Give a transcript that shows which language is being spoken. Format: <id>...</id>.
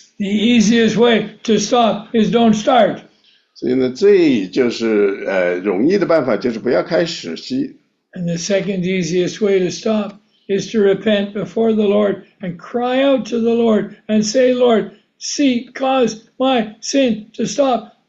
<en>The easiest way to stop is don't start.</en> <zh>所以呢，最就是容易的办法就是不要开始吸。</zh> <en>And the second easiest way to stop is to repent before the Lord and cry out to the Lord and say, "Lord, see, cause my sin to stop.</en>